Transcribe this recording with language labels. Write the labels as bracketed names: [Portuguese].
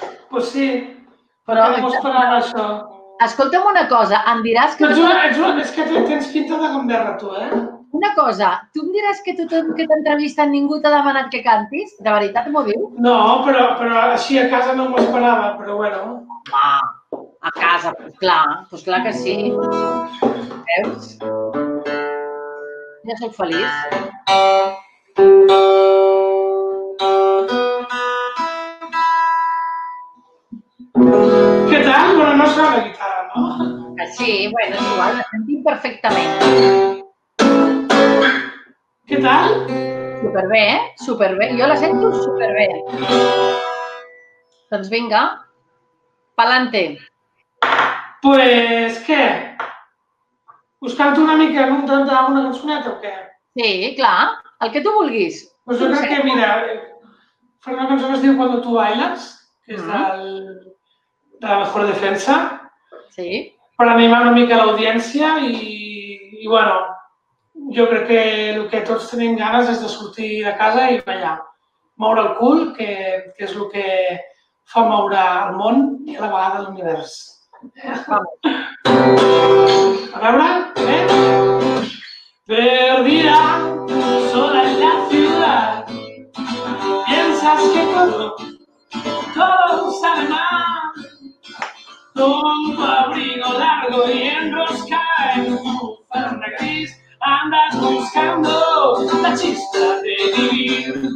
[Catalan] Pues sí. Però no esperava això. Escolta'm una cosa, em diràs que... Ets una, és que tens pinta de gamberra, tu, eh? Una cosa, tu em diràs que tothom que t'entrevista ningú t'ha demanat que cantis? De veritat m'ho diu? No, però així a casa no m'ho esperava, però bueno. Ah, a casa, pues clar que sí. Veus? Ja sóc feliç. Què tal? Però no sona la guitarra, no? Sí, bueno, és igual, la sentim perfectament. Què tal? Superbé, eh? Superbé. Jo la sento superbé. Doncs vinga, pa'lante. Pues què? Us canto una mica en un tant d'una cançoneta o què? Sí, clar, el que tu vulguis. Pues jo crec que, mira, fer una cançó que es diu Cuando tú bailas, que és de la Mejor Defensa. Sí. Per animar una mica l'audiència i, bueno, jo crec que el que tots tenim ganes és de sortir de casa i ballar. Moure el cul, que és el que fa moure el món i a la vegada l'univers. A veure, eh? [Spanish] Perdida, sola en la ciudad, piensas que todo sale mal. Con tu abrigo largo y enrosca en tu bufanda gris, andas buscando la chispa de vivir.